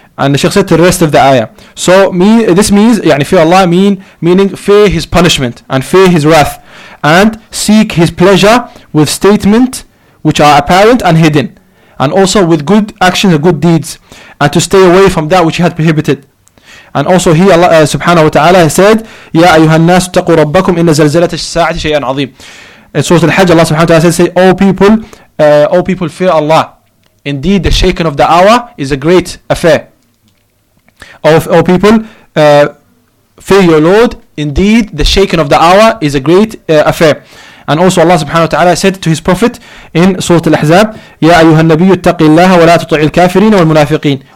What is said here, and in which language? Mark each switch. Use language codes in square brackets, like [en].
[en] and the sheikh said to the rest of the ayah. So this means, يعني fear Allah mean, meaning fear his punishment and fear his wrath and seek his pleasure with statement which are apparent and hidden, and also with good actions and good deeds, and to stay away from that which he had prohibited. [ar] And also he, Allah subhanahu wa ta'ala, said, يَا أَيُّهَا النَّاسُ تَقُوا رَبَّكُمْ إِنَّ زَلْزَلَةَ السَّاعَةِ شَيْئًا عَظِيمٌ. [en] In Surah Al-Hajj, Allah subhanahu wa ta'ala said, O people, fear Allah. Indeed, the shaking of the hour is a great affair. O people, fear your Lord. Indeed, the shaking of the hour is a great affair. And also Allah subhanahu wa ta'ala said to his prophet in Surah Al-Ahzab, [ar] يَا أَيُّهَا النَّبِيُّ اتَّقِ اللَّهَ وَلَا تُطِعِ الْكَافِرِينَ وَالْمُنَافِقِينَ.